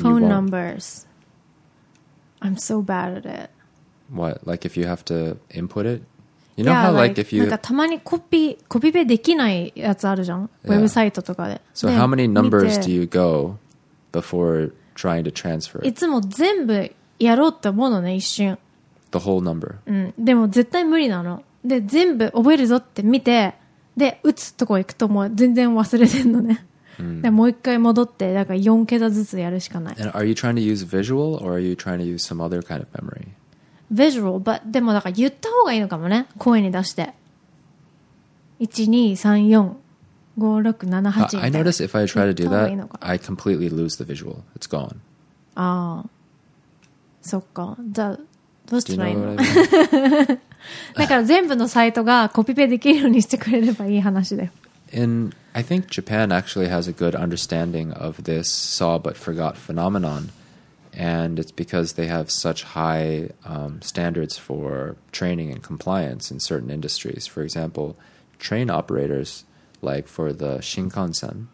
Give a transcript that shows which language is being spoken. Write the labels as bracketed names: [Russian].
[English] phone numbers, I'm so bad at it. What, like if you have to input it, you know? Yeah, how like if you [Japanese] なんかたまにコピペできないやつあるじゃん、ウェブサイトとかで。 [English] So how many numbers do you go beforeTrying to transfer. [Japanese] いつも全部やろうって思うのね、一瞬。 [English] The whole number. [Japanese] うん。でも絶対無理なの。で、全部覚えるぞって見て、で、打つとこ行くともう全然忘れてんのね。で、もう一回戻って、だから4桁ずつやるしかない。 [English] And are you trying to use visual or are you trying to use some other kind of memory? Visual, but [Japanese] でもだから言った方がいいのかもね、声に出して。 [English] 1234567 8. I notice if I try to do that, I completely lose the visual. It's gone. [Japanese] Ah, そっか。じゃあどうしたらいいの？だから全部のサイトがコピペできるようにしてくれればいい話だよ。 [English] And I think Japan actually has a good understanding of this saw but forgot phenomenon, and it's because they have such high、standards for training and compliance in certain industries. For example, train operators. like for the Shinkansen,、